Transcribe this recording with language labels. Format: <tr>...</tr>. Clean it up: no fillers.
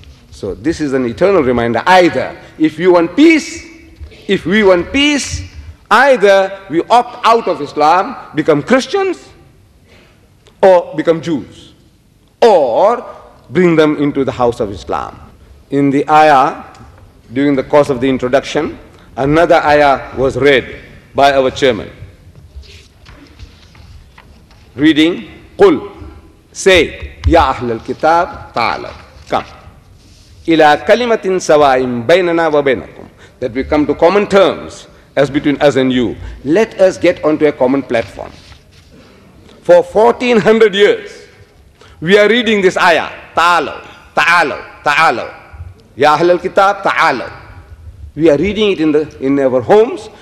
<en>So this is an eternal reminder. Either if you want peace, if we want peace, either we opt out of Islam, become Christians, or become Jews, or bring them into the house of Islam. In the ayah, during the course of the introduction, another ayah was read by our chairman. Reading,</en> <ar>قُلْ</ar> <en>Say,</en> <ar>يَا أَهْلَ الْكِتَابِ تَعَالَوْا</ar> <en>Come.</en> <ar>إِلَىٰ كَلِمَةٍ سَوَائِمْ بَيْنَنَا وَبَيْنَكُمْ</ar> <en>That we come to common terms as between us and you. Let us get onto a common platform. For 1400 years, we are reading this ayah.</en> <ar>تَعَالَوْا تَعَالَوْا تَعَالَوْا يَا أَهْلَ الْكِتَابِ تَعَالَوْا</ar> <en>We are reading it in our homes.</en>